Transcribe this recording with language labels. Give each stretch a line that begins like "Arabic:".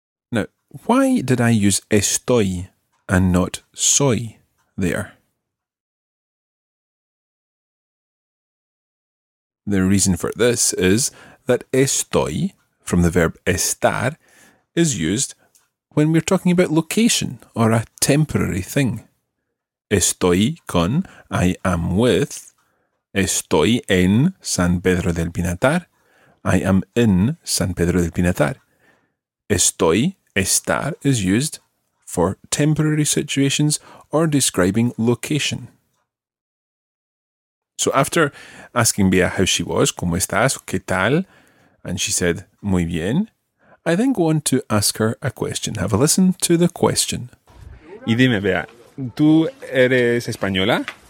English: Now, why did I use estoy and not soy? There. The reason for this is that estoy, from the verb estar, is used when we're talking about location or a temporary thing.
Spanish: Estoy con,
English: I am with,
Spanish: estoy en San Pedro del Pinatar,
English: I am in San Pedro del Pinatar. Estoy Estar is used for temporary situations or describing location. So after asking Bea how she was,
Spanish: ¿cómo estás? ¿Qué tal?
English: And she said,
Spanish: muy bien.
English: I then go on to ask her a question. Have a listen to the question.
Spanish: Y dime, Bea, ¿tú eres española?